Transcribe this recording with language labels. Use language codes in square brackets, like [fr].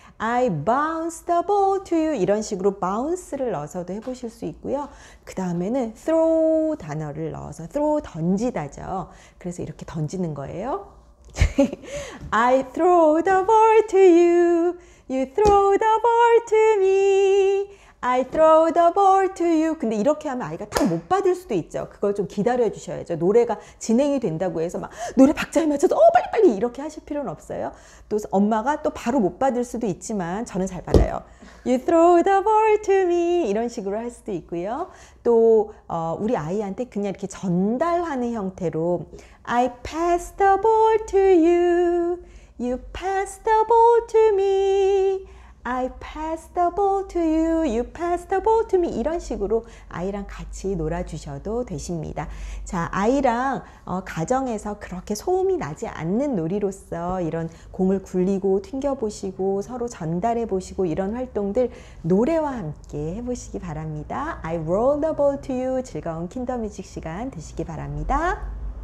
[en] I bounce the ball to you [ko] 이런 식으로 bounce를 넣어서도 해보실 수 있고요. 그 다음에는 throw 단어를 넣어서 throw 던지다죠. 그래서 이렇게 던지는 거예요. [en] I throw the ball to you, you throw the ball to me. I throw the ball to you. [ko] 근데 이렇게 하면 아이가 딱 못 받을 수도 있죠. 그걸 좀 기다려 주셔야죠. 노래가 진행이 된다고 해서 막 노래 박자에 맞춰서 빨리빨리 이렇게 하실 필요는 없어요. 또 엄마가 또 바로 못 받을 수도 있지만 저는 잘 받아요. [en] You throw the ball to me [ko] 이런 식으로 할 수도 있고요. 또 우리 아이한테 그냥 이렇게 전달하는 형태로 [en] I pass the ball to you, you pass the ball to me. I pass the ball to you, you pass the ball to me. [ko] 이런 식으로 아이랑 같이 놀아주셔도 되십니다. 자, 아이랑 가정에서 그렇게 소음이 나지 않는 놀이로서 이런 공을 굴리고 튕겨보시고 서로 전달해보시고 이런 활동들 노래와 함께 해보시기 바랍니다. [en] I roll the ball to you. [ko] 즐거운 킨더뮤직 시간 되시기 바랍니다.